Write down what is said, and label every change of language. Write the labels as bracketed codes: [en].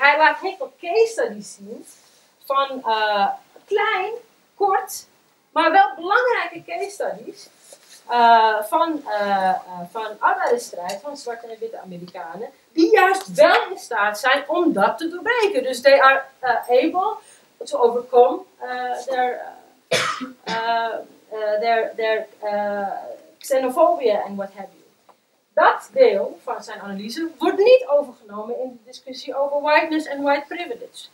[nl] Hij laat heel veel case studies zien van klein, kort, maar wel belangrijke case studies van arbeidersstrijd van zwarte en witte Amerikanen, die juist wel in staat zijn om dat te doorbreken. Dus [en] they are able to overcome their xenofobia and what have you. [nl] Dat deel van zijn analyse wordt niet overgenomen in de discussie over whiteness en white privilege.